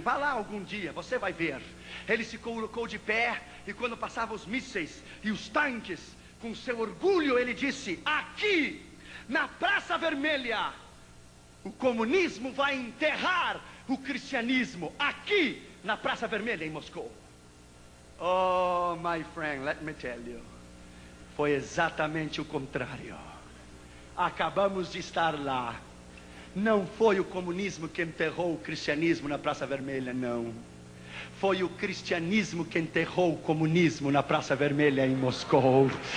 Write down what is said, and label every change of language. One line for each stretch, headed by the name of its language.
Portuguese: Vá lá algum dia, você vai ver. Ele se colocou de pé e quando passava os mísseis e os tanques, com seu orgulho, ele disse, aqui, na Praça Vermelha, o comunismo vai enterrar o cristianismo aqui na Praça Vermelha em Moscou.
English: Oh, my friend, let me tell you.
Portuguese: Foi exatamente o contrário. Acabamos de estar lá. Não foi o comunismo que enterrou o cristianismo na Praça Vermelha, não. Foi o cristianismo que enterrou o comunismo na Praça Vermelha em Moscou.